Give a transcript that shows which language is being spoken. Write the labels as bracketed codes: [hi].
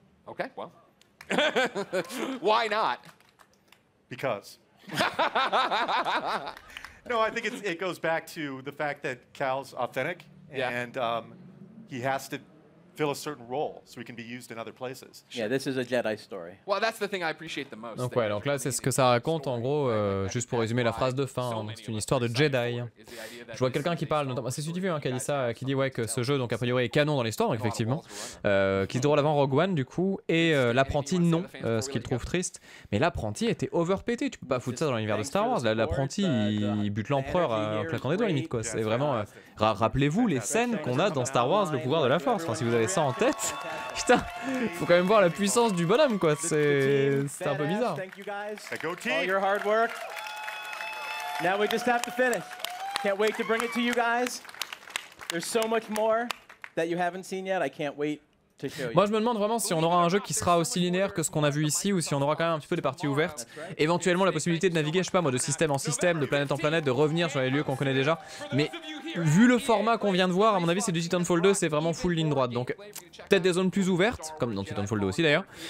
[en] Okay. Well, why not? Because. No, I think it goes back to the fact that Cal's authentic, and he has to. Fill a certain role so we can be used in other places. Yeah, this is a Jedi story. Well, that's the thing I appreciate the most. [fr] Donc ouais, donc là c'est ce que ça raconte en gros, juste pour résumer la phrase de fin, hein, c'est une histoire de Jedi. Je vois quelqu'un qui parle notamment, c'est Sudivu, hein, qui dit ça, qui dit ouais que ce jeu donc a priori est canon dans l'histoire effectivement, qui se déroule avant Rogue One du coup et l'apprenti non, ce qu'il trouve triste, mais l'apprenti était overpété, tu peux pas foutre ça dans l'univers de Star Wars, l'apprenti il bute l'empereur en claquant des doigts limite quoi, c'est vraiment rappelez-vous les scènes qu'on a dans Star Wars le pouvoir de la Force, enfin, si vous avez ça en tête, putain, faut quand même voir la puissance du bonhomme quoi, c'est un peu bizarre. [en] Thank you guys. Go team. All your hard work. Now we just have to finish. Can't wait to bring it to you guys. There's so much more that you haven't seen yet. I can't wait. [fr] Moi je me demande vraiment si on aura un jeu qui sera aussi linéaire que ce qu'on a vu ici ou si on aura quand même un petit peu des parties ouvertes, éventuellement la possibilité de naviguer, je sais pas moi, de système en système, de planète en planète, de revenir sur les lieux qu'on connaît déjà, mais vu le format qu'on vient de voir, à mon avis c'est du Titanfall 2, c'est vraiment full ligne droite, donc peut-être des zones plus ouvertes, comme dans Titanfall 2 aussi d'ailleurs.